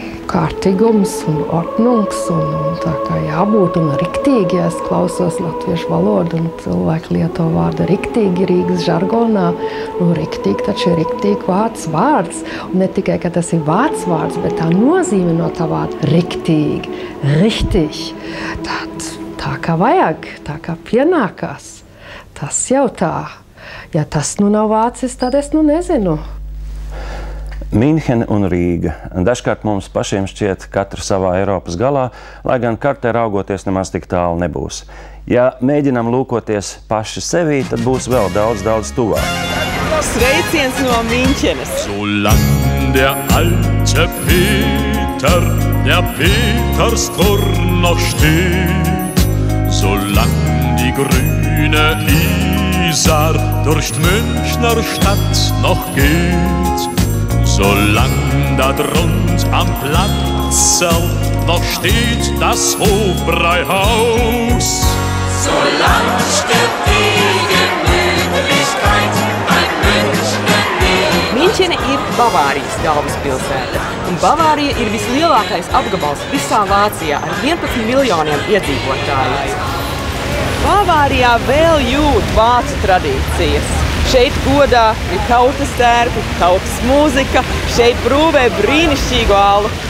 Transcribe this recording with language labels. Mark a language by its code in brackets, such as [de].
[lv] Kārtīgums un ordnungs, un tā kā jābūt, un riktīgi, ja es klausos latviešu valodu, un cilvēki lieto vārdu riktīgi Rīgas žargonā, nu riktīgi, taču ir riktīgi vārds vārds, un ne tikai, ka tas ir vārds vārds, bet tā nozīme no tā vārda riktīgi, riktīgi, tad tā kā vajag, tā kā pienākās, tas jau tā, ja tas nu nav vācis, tad es nu nezinu. Minhene un Rīga. Dažkārt mums pašiem šķiet katru savā Eiropas galā, lai gan kartē raugoties nemaz tik tālu nebūs. Ja mēģinam lūkoties paši sevī, tad būs vēl daudz, daudz tuvāk. Sveiciens no Minhenes! [de] So lang der alte Peter, der Peters tur noch steht, so lang die grüne Isar durch Münchner Stadt noch geht, solang da drunt am Platzel noch steht das Hofbräuhaus. Solang steht die Gemütlichkeit ein München nie. München ist Bavarias Galvas [lv] galvaspilsēta. Un Bavārija ir vislielākais apgabals visā Vācijā ar 11 miljoniem iedzīvotāju. Bavārijā vēl jūt vācu tradīcijas. Šeit godā ir tautas tērpi, tautas mūzika, šeit brūvē brīnišķīgu alu.